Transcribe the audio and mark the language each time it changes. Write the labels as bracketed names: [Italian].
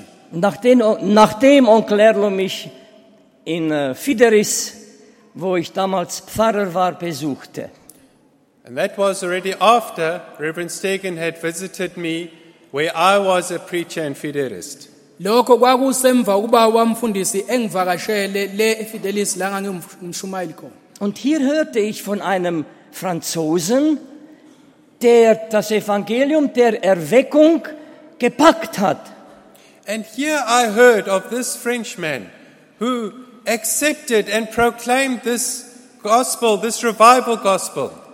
[German] Nachdem Onkel Erlo mich in Fideris, wo ich damals Pfarrer war, besuchte. [English] And that was already after Reverend Stegen had visited me, where I was a preacher and Fiderist. [Zulu] Lokho kwakusemva ukuba wamfundisi engivakashele le Fidelis la ngangimshumayile khona. [German] Und hier hörte ich von einem Franzosen, der das Evangelium der Erweckung gepackt hat. [English] And here I heard of this Frenchman who accepted and proclaimed this gospel, this revival gospel.